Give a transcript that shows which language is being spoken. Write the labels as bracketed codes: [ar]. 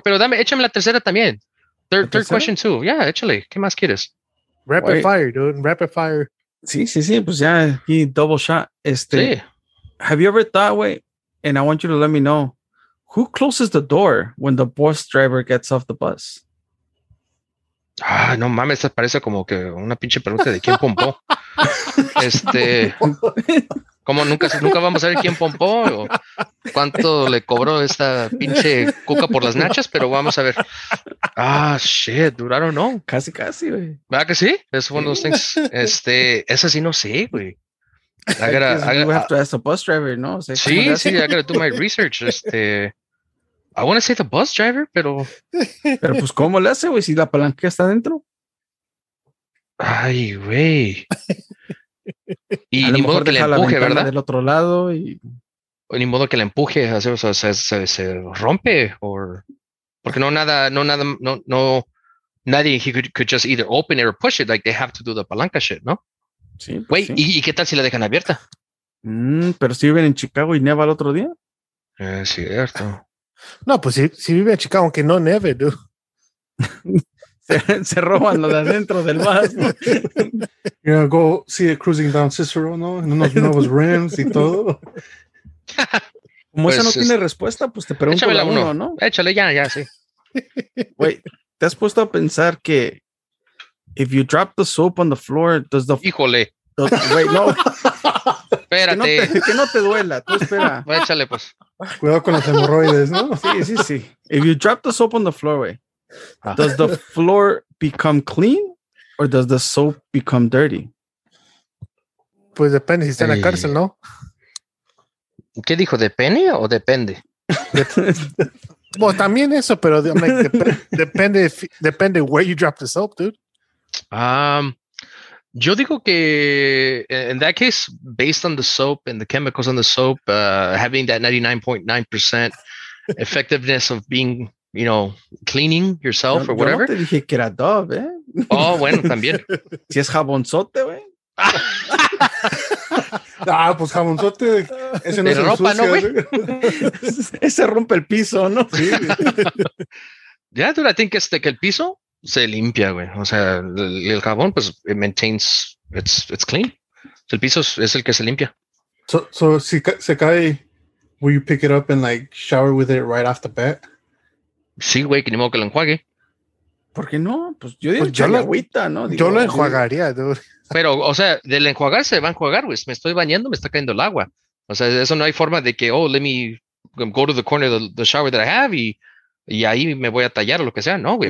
[es] Pero dame, échame la tercera también. [en] Third question too. Yeah, actually. [es] ¿Qué más quieres? [en] Rapid fire, dude. [es] Sí. Pues ya, [en] he double shot. [es] Sí. [en] Have you ever thought, wait, and I want you to let me know, who closes the door when the bus driver gets off the bus? [es] Ah, no mames, parece como que una pinche pregunta de quién pompó. ¿Cómo nunca vamos a ver quién pompó o cuánto le cobró esta pinche cuca por las nachas? Pero vamos a ver. [en] Ah, shit, dude, I don't know. [es] Casi, güey. ¿Verdad que sí? Es [en] one of those things. [es] Esa sí no sé, güey. [en] I gotta ask the bus driver, ¿no? I gotta do my research. I want to say the bus driver, pero... [es] Pero pues, ¿cómo le hace, güey, si la palanquilla está adentro? Ay, güey. Y a ni modo que le empuje, ¿verdad? Del otro lado y... O ni modo que le empuje, o sea, se rompe, o... Porque nadie, [en] he could just either open it or push it, like they have to do the palanca shit, ¿no? [es] Sí, pues wait, sí. ¿Y qué tal si la dejan abierta? Pero si viven en Chicago y neva el otro día. Es cierto. No, pues si vive en Chicago, aunque no neve, dude. se roban lo de adentro del bus. [en] You know, go see it cruising down Cicero, ¿no? [es] En unos nuevos rims y todo. Como pues, esa no tiene respuesta, pues te pregunto la uno, ¿no? Échale ya, sí. [en] Wait, [es] ¿te has puesto a pensar que [en] if you drop the soap on the floor, does the... [es] Híjole. Wait, no. Espérate. Que no te duela. Tú espera. Voy a echarle, pues. Cuidado con las hemorroides, ¿no? Sí. [en] If you drop the soap on the floor, wey, does the floor become clean or does the soap become dirty? [es] Pues depende si está en la cárcel, ¿no? ¿Qué dijo? ¿Depende o depende? Bueno, también eso, pero [en] I'm like, depende where you drop the soap, dude. [es] Yo digo que [en] in that case, based on the soap and the chemicals on the soap, having that 99.9% effectiveness of being, you know, cleaning yourself or whatever. [es] Yo no te dije que era Dove, ¿eh? Oh, bueno, también. Si es jabonzote, güey. Ah, pues jabonzote. Ese no es ropa, ¿no, güey? Ese rompe el piso, ¿no? Sí. [en] Yeah, dude, I think it's [es] que el piso se limpia, güey. O sea, el jabón, pues, [en] it maintains, it's clean. [es] El piso es el que se limpia. [en] So [es] si se cae, [en] will you pick it up and, like, shower with it right off the bat? [es] Sí, güey, que ni modo que lo enjuague. ¿Por qué no? Pues yo digo, pues yo la agüita, ¿no? Digo, yo lo enjuagaría, dude. Pero, o sea, del enjuagar se va a enjuagar, güey. Me estoy bañando, me está cayendo el agua. O sea, eso no hay forma de que, oh, [en] let me go to the corner of the shower that I have [es] y ahí me voy a tallar o lo que sea, ¿no, güey?